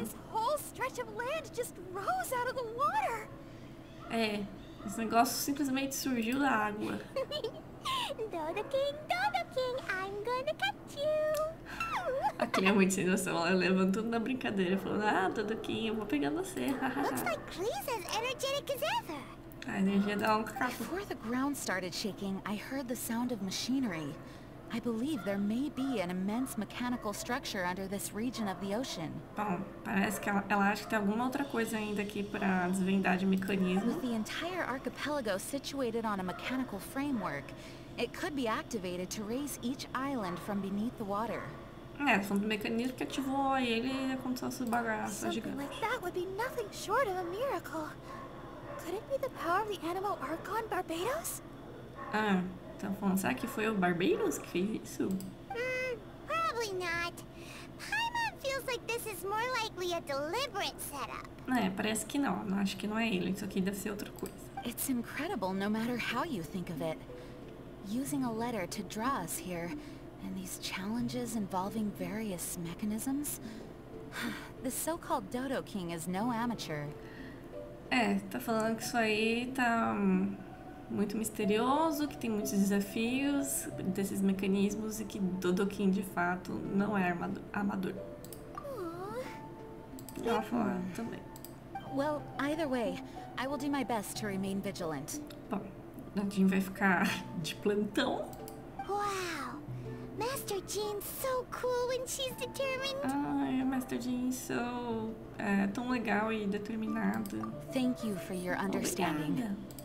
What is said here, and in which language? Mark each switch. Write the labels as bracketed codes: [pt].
[en] This whole stretch of land just rose out of the water. [pt] É, esse negócio simplesmente surgiu da água. [en] Dodo King, Dodo King, I'm gonna catch you. [pt] A Clea é muito sem noção, ela levantando na brincadeira, falando: ah, Dodo King, eu vou pegar você. [en] Looks like Clea's as energetic as ever. [pt] A energia dá um cacapo. [en] Before the ground started shaking, I heard the sound of machinery. I believe there may be an immense mechanical structure under this region of the ocean. [pt] Bom, parece que ela acha que tem alguma outra coisa ainda aqui para desvendar de mecanismo. [en] With the entire archipelago situated on a mechanical framework, it could be activated to raise each island from beneath the water. [pt] É, falando do mecanismo que ativou a ilha e aconteceu essas bagaças gigantes. [en] Something like that would be nothing short of a miracle. Could it be the power of the animal Archon Barbados? Ah. [pt] Então, falando, será que foi o Barbeiros que fez isso? [en] Probably not. Paimon feels like this is more likely a deliberate setup. [pt] É, parece que não. Não acho que não é ele. Isso aqui deve ser outra coisa. [en] It's incredible, no matter how you think of it. Using a letter to draw us here, and these challenges involving various mechanisms. The so-called Dodo King is no amateur. [pt] É, tá falando que isso aí tá muito misterioso, que tem muitos desafios desses mecanismos e que Dodo King de fato não é amador. Ela fala também. [en] Well, either way, I will do my best to remain vigilant. [pt] Bom, Nadine vai ficar de plantão. [en] Wow, Master Jean's so cool when she's determined. [pt] Ai, Master Jean so tão legal e determinada. [en] Thank you for your understanding.